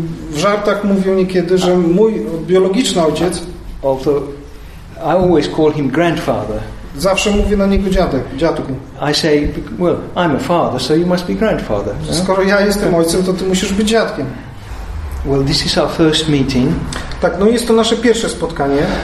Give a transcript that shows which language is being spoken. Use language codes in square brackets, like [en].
[pl] W żartach mówię niekiedy, że mój biologiczny ojciec, [en] I always call him grandfather. [pl] Zawsze mówię na niego dziadku. [en] I say, well, I'm a father, so you must be grandfather. [pl] Skoro ja jestem ojcem, to ty musisz być dziadkiem. [en] Well, this is our first meeting. [pl] Tak, no jest to nasze pierwsze spotkanie.